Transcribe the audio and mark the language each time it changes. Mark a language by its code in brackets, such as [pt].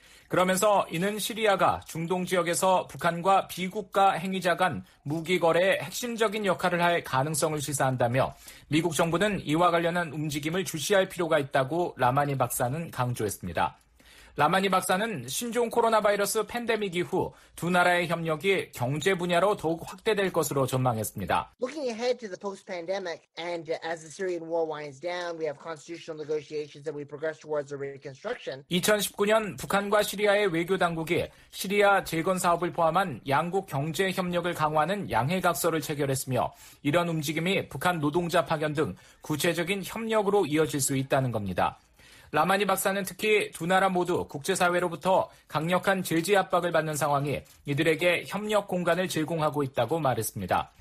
[ko] 그러면서 이는 시리아가 중동 지역에서 북한과 비국가 행위자 간 무기 거래의 핵심적인 역할을 할 가능성을 시사한다며 미국 정부는 이와 관련한 움직임을 주시할 필요가 있다고 라마니 박사는 강조했습니다. 라마니 박사는 신종 코로나 바이러스 팬데믹 이후 두 나라의 협력이 경제 분야로 더욱 확대될 것으로 전망했습니다. [en] Looking ahead to the post-pandemic and as the Syrian war winds down, we have constitutional negotiations that we progress towards a reconstruction. [ko] 2019년 북한과 시리아의 외교 당국이 시리아 재건 사업을 포함한 양국 경제 협력을 강화하는 양해각서를 체결했으며 이런 움직임이 북한 노동자 파견 등 구체적인 협력으로 이어질 수 있다는 겁니다. 라마니 박사는 특히 두 나라 모두 국제사회로부터 강력한 제재 압박을 받는 상황이 이들에게 협력 공간을 제공하고 있다고 말했습니다.